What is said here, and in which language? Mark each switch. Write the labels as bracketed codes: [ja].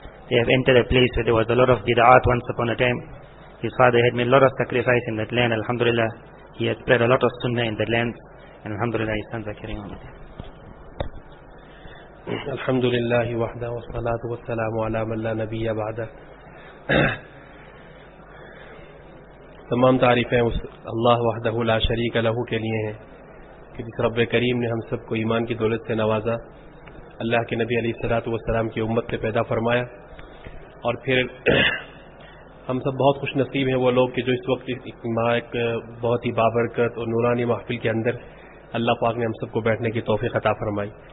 [en] They have entered a place where there was a lot of bid'at once upon a time. His father had made a lot of sacrifice in that land. Alhamdulillah, he has spread a lot of sunnah in that land. And alhamdulillah, his sons are carrying on with him. [ar] الحمد لله وحده والصلاة والسلام على من لا نبي بعده. [ur] تمام تعریفیں اس اللہ وحده لا شریک له کے لیے ہیں کہ جس رب کریم نے ہم سب کو ایمان کی دولت سے نوازا, اللہ کے نبی علیہ الصلاۃ والسلام کی امت سے پیدا فرمایا, اور پھر ہم سب بہت خوش نصیب ہیں وہ لوگ کہ جو اس وقت بہت ہی بابرکت اور نورانی محفل کے اندر اللہ پاک نے ہم سب کو بیٹھنے کی توفیق عطا فرمائی.